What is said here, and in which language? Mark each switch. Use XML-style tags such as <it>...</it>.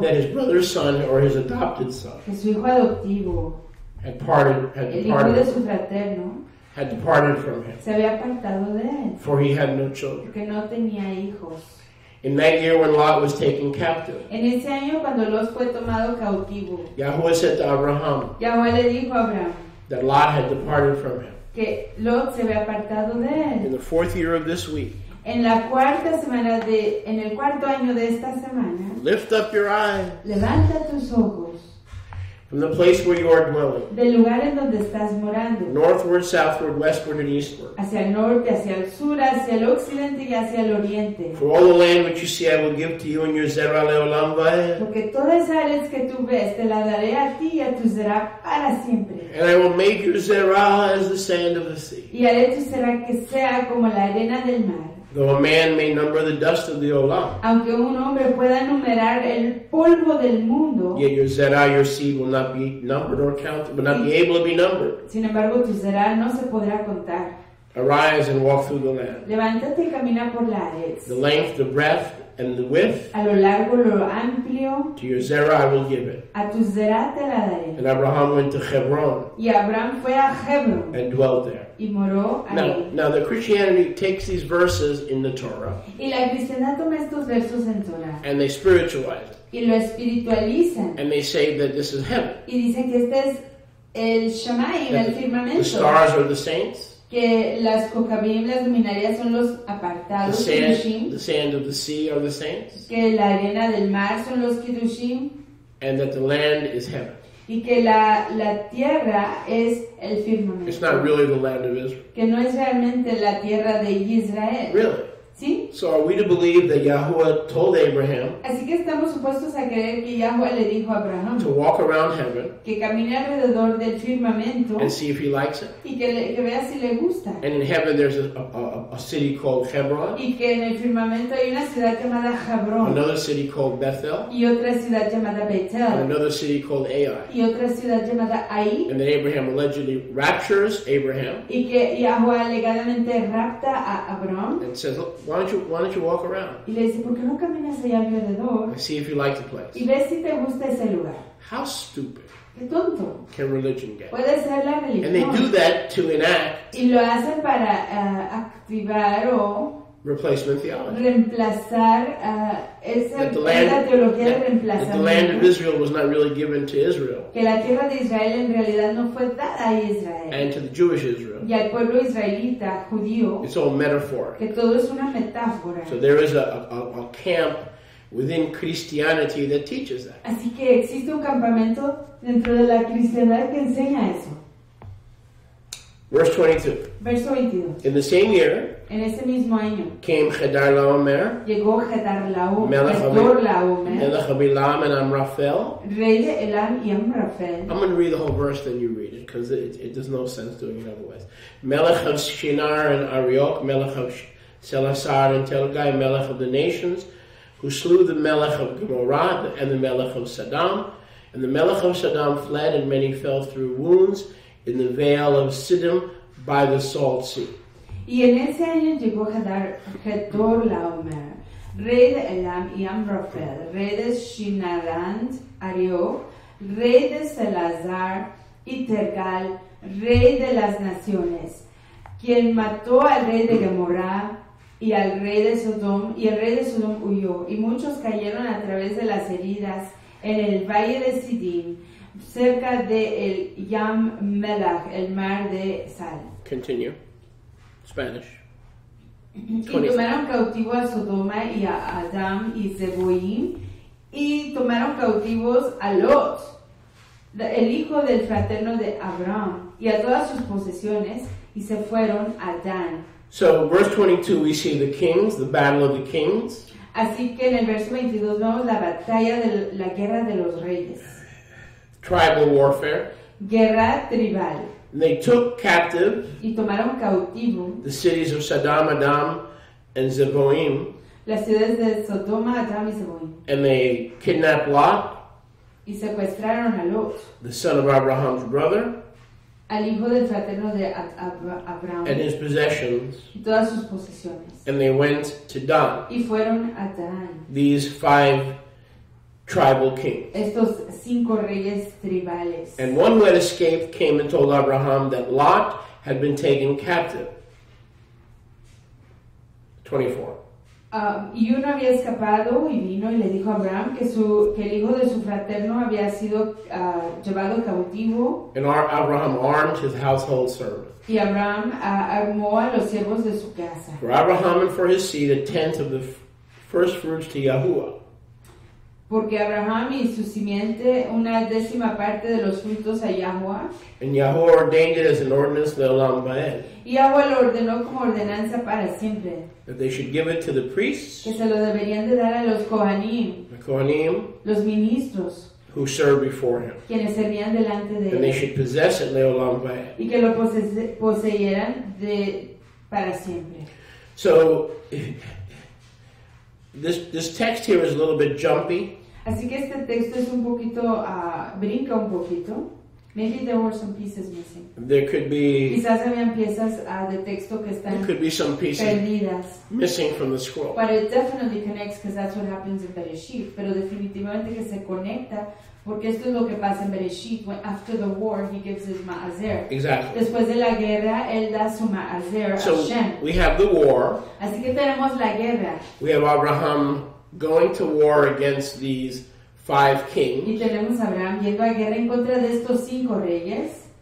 <en>That his brother's son or his adopted son.</en> <es>Que su hijo adoptivo.</es> <en>Had departed from him.</en> <es>Se había apartado de él.</es> <en>For he had no children.</en> <es>Porque no tenía hijos.</es> <en>In that year when Lot was taken captive,</en> <es>en ese año cuando Lot fue tomado cautivo,</es> <en>Yahweh said to Abraham,</en> <es>Yahweh le dijo a Abraham</es> <en>that Lot had departed from him.</en> <es>Que Lot se había apartado de él.</es> <en>In the fourth year of this week,</en> <es>en la cuarta semana de, en el cuarto año de esta semana,</es> <en>lift up your eyes,</en> <es>levanta tus ojos,</es> <en>from the place where you are dwelling,</en> <es>del lugar en donde estás morando,</es> <en>northward, southward, westward, and eastward,</en> <es>hacia el norte, hacia el sur, hacia el occidente y hacia el oriente.</es> <en>For all the land which you see I will give to you and your zera</en> <he>leolam vaed.</he> <es>Porque todas las áreas que tú ves te la daré a ti y a tu zera para siempre.</es> <en>And I will make your zera as the sand of the sea.</en> <es>Y haré tu zera que sea como la arena del mar.</es> <en>Though a man may number the dust of the olam,</en> <es>aunque un hombre pueda numerar el polvo del mundo,</es> <en>yet your zera, your seed, will not be numbered or counted, will not be able to be numbered.</en> <es>Sin embargo, tu zera no se podrá contar.</es> <en>Arise and walk through the land.</en> <es>Levántate y camina por la arez.</es> <en>The length, the breadth, and the width.</en> <es>A lo largo, lo amplio.</es> <en>To your zera I will give it.</en> <es>A tu zera te la daré.</es> <en>And Abraham went to Hebron.</en> <es>Y Abraham fue a Hebron.</es> <en>And dwelt there.</en> <es>Y moró</es> <en>now,</en> <es>ahí.</es> <en>Now the Christianity takes these verses in the Torah.</en> <es>Y la cristianidad toma estos versos en Torah.</es> <en>And they spiritualize it.</en> <es>Y lo espiritualizan.</es> <en>And they say that this is heaven.</en> <es>Y dicen que este es el Shamayim, el firmamento.</es> <en>The stars are the saints.</en> <es>Que las cocabim, las luminarias son los apartados, kidushim.</es> <en>The sand of the sea are the saints.</en> <es>Que la arena del mar son los kidushim.</es> <en>And that the land is heaven.</en> <es>Y que la tierra es el firmamento.</es> <en>It's not really the land of Israel.</en> <es>Que no es realmente la tierra de Israel.</es> <en>Really?</en> <es>¿Sí?</es> <en>So are we to believe that Yahuwah told Abraham,</en> <es>así que estamos supuestos a creer que Yahuwah le dijo a Abraham,</es> <en>to walk around heaven,</en> <es>que camine alrededor del firmamento,</es> <en>and see if he likes it,</en> <es>y que vea si le gusta.</es> <en>And in heaven there's a city called Hebron,</en> <es>y que en el firmamento hay una ciudad llamada Hebron,</es> <en>another city called Bethel,</en> <es>y otra ciudad llamada Bethel,</es> <en>and another city called Ai,</en> <es>y otra ciudad llamada Ai.</es> <en>And then Abraham allegedly raptures Abraham,</en> <es>y que Yahuwah alegadamente rapta a Abraham,</es> <en>and says, Why don't you walk around?</en> <es>Y le dice, ¿por qué no caminas allá alrededor?</es> <en>And see if you like the place.</en> <es>Y ve si te gusta ese lugar.</es> <en>How stupid.</en> <es>Qué tonto.</es> <en>Can religion get?</en> <es>Puede ser la religión.</es> <en>And they do that to enact.</en> <es>Y lo hacen para activar o</es> <en>replacement theology.</en> <es>Reemplazar esa teología de reemplazamiento.</es> <en>That the land of Israel was not really given to Israel.</en> <es>Que la tierra de Israel en realidad no fue dada a Israel.</es> <en>And to the Jewish Israel.</en> <es>Y al pueblo israelita, judío.</es> <en>It's all metaphor.</en> <es>Que todo es una metáfora.</es> <en>So there is a camp within Christianity that teaches that.</en> <es>Así que existe un campamento dentro de la cristianidad que enseña eso.</es> <en>Verse 22.</en> <es>Verso 22.</es> <en>In the same year,</en> <es>en ese mismo año,</es> <en>came Chedar Laomer,</en> <es>llegó Chedar Laomer,</es> <en>Melech Abilam and Amraphel.</en> <es>Rey de Elam y Amraphel.</es> <en>I'm going to read the whole verse, then you read it, because it does no sense doing it otherwise. Melech of Shinar and Arioch, Melech of Selassar and Telgai, Melech of the nations, who slew the Melech of Gomorrah and the Melech of Saddam. And the Melech of Saddam fled, and many fell through wounds in the vale of Siddim by the salt sea.</en> <es>Y en ese año llegó Chedor Laomer, rey de Elam y Amraphel, rey de Shinarand, Arioch, rey de Selazar y Tergal, rey de las naciones, quien mató al rey de Gomorra y al rey de Sodom, y el rey de Sodom huyó, y muchos cayeron a través de las heridas en el valle de Siddim, cerca de el</es> <he>Yam Melach,</he> <es>el mar de Sal.</es> <en>Continue. Spanish.</en> <es>23. Y tomaron cautivo a Sodoma y a Adam y Zeboim, y tomaron cautivos a Lot, el hijo del fraterno de Abraham, y a todas sus posesiones, y se fueron a Dan.</es> <en>So, verse 22, we see the kings, the battle of the kings.</en> <es>Así que en el verso 22 vemos la batalla de la guerra de los reyes.</es> <en>Tribal warfare.</en> <es>Guerra tribal.</es> <en>And they took captive.</en> <es>Y tomaron cautivo.</es> <en>The cities of Saddam, Adam, and Zeboim.</en> <es>Las ciudades de Sodoma, Adam y Zeboim.</es> <en>And they kidnapped Lot.</en> <es>y secuestraron a Lot,</es> <en>the son of Abraham's brother,</en> <es>al hijo del fraterno de Abraham,</es> <en>and his possessions,</en> <es>y todas sus posesiones,</es> <en>and they went to Dan,</en> <es>y fueron a Dan,</es> <en>these five tribal kings.</en> <es>Estos cinco reyes tribales.</es> <en>And one who had escaped came and told Abraham that Lot had been taken captive.</en> <es>24. Y uno había escapado y vino y le dijo a Abraham que el hijo de su fraterno había sido llevado cautivo.</es> <en>And Abraham armed his household servants.</en> <es>Y Abraham armó a los siervos de su casa.</es> <en>For Abraham and for his seed, a tenth of the first fruits to Yahuwah.</en> <es>Porque Abraham y su simiente una décima parte de los frutos a Yahuwah.</es> <en>And Yahuwah ordained it as an ordinance for</en> <he>Olam Ba'ed.</he> <es>Y Yahuwah lo ordenó como ordenanza para siempre.</es> <en>That they should give it to the priests.</en> <es>Que se lo deberían de dar a los Kohanim.</es> <en>The Kohanim.</en> <es>Los ministros.</es> <en>Who served before him.</en> <es>Quienes servían delante de él.</es> <en>And they should possess it for</en> <he>Olam Ba'ed.</he> <es>Y que lo poseyeran de para siempre.</es> <en>So. This text here is a little bit jumpy.</en> <es>Así que este texto es un poquito, brinca un poquito.</es> <en>Maybe there were some pieces missing. There could be.</en> <es>Quizás habían piezas de texto que están.</es> <en>There could be some pieces</en> <es>perdidas.</es> <en>Missing from the scroll. But it definitely connects because that's what happens in Bereshit.</en> <es>Pero definitivamente que se conecta porque esto es lo que pasa en Bereshit.</es> <en>When, after the war, he gives his ma'azer. Exactly.</en> <es>Después de la guerra, él da su ma'azer a Hashem.</es> <en>So we have the war.</en> <es>Así que tenemos la guerra.</es> <en>We have Abraham going to war against these five kings.</en> <es>Y tenemos a Abraham yendo a guerra en contra de estos cinco reyes.</es>